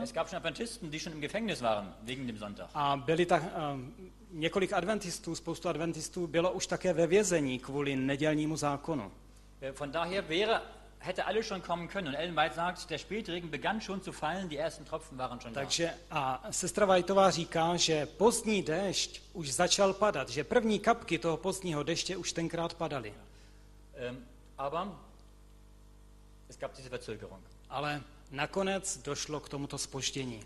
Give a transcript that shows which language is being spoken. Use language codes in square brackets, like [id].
[de] Es gab schon Adventisten, die schon im Gefängnis waren wegen dem Sonntag. [cs] A byli tak několik adventistů, spoustu adventistů bylo už také ve vězení kvůli nedělnímu zákonu. [de] Von daher wäre hätte alles schon kommen können und Ellen White sagt, der Spätregen begann schon zu fallen, die ersten Tropfen waren schon da. [cs] Takže a sestra Whiteová říká, že pozdní déšť už začal padat, že první kapky toho pozdního deště už tenkrát padaly. [de] Aber es gab diese Verzögerung. [cs] Ale nakonec došlo k tomuto zpoždění.